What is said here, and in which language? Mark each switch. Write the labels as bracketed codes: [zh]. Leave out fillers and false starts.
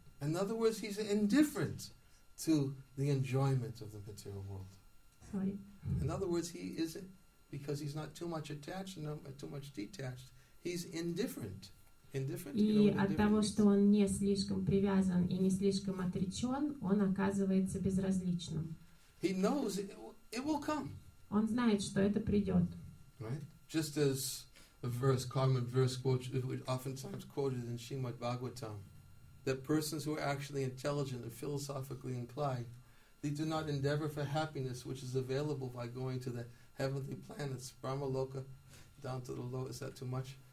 [en] In other words, he's indifferent to the enjoyment of the material world. Sorry. In other words, he is, because he's not too much attached and not too much detached, He's indifferent. Indifferent, [ru] и от того, что он не слишком привязан и не слишком отречен, он оказывается безразличным. [en] He knows it will come. [ru] Он знает, что это придет. [en] Right? Just as a verse, common verse, which oftentimes quoted in Srimad Bhagavatam, that persons who are actually intelligent and philosophically inclined, they do not endeavor for happiness which is available by going to the heavenly planets, Brahma Loka, down to the lowest, is that too much?